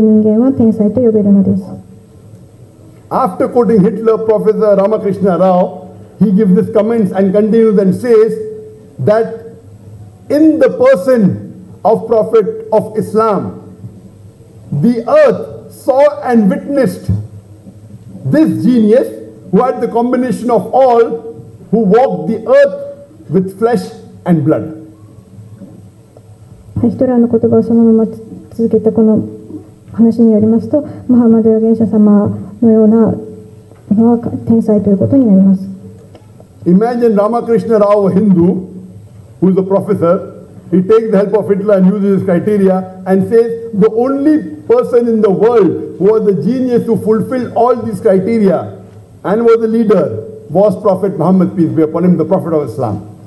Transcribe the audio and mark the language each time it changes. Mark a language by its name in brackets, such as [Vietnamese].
[Japanese] 最も天才的なものというものは理想があり、それを人々に伝え、それをまた指導することができることが天才の条件ですが、この3つが全て備わっている人間というのを探すことは非常に難しい状態にあります。ですから、この3つが全て備わっている人間は天才と呼べるのです。 [English] After quoting Hitler, Professor Ramakrishna Rao, he gives this comments and continues and says that in the person of Prophet of Islam, the earth saw and witnessed this genius who had the combination of all, who walked the earth with flesh and blood. [Japanese] ヒトラーの言葉をそのまま続けたこの話によりますと、ムハマド預言者様のような天才ということになります。 [English] Imagine Ramakrishna Rao, a Hindu, who is a professor, he takes the help of Hitler and uses his criteria and says, the only person in the world who was a genius who fulfilled all these criteria and was a leader was Prophet Muhammad, peace be upon him, the Prophet of Islam.